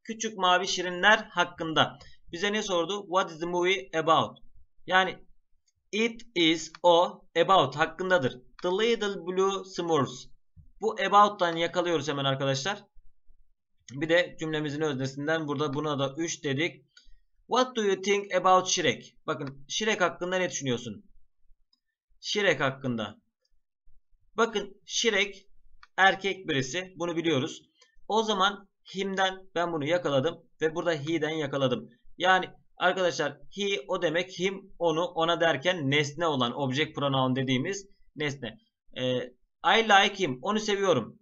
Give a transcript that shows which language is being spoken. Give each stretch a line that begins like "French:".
Turkish: Küçük mavi şirinler hakkında. Bize ne sordu?
English: What is the movie about?
Turkish: Yani it is o about hakkındadır.
English: The little blue smurfs.
Turkish: Bu about'tan yakalıyoruz hemen arkadaşlar. Bir de cümlemizin öznesinden burada buna da 3 dedik.
English: What do you think about Shrek?
Turkish: Bakın Shrek hakkında ne düşünüyorsun? Shrek hakkında. Bakın Shrek erkek birisi. Bunu biliyoruz. O zaman him'den ben bunu yakaladım. Ve burada he'den yakaladım. Yani arkadaşlar he o demek him onu ona derken nesne olan object pronoun dediğimiz nesne.
English: I like him.
Turkish: Onu seviyorum.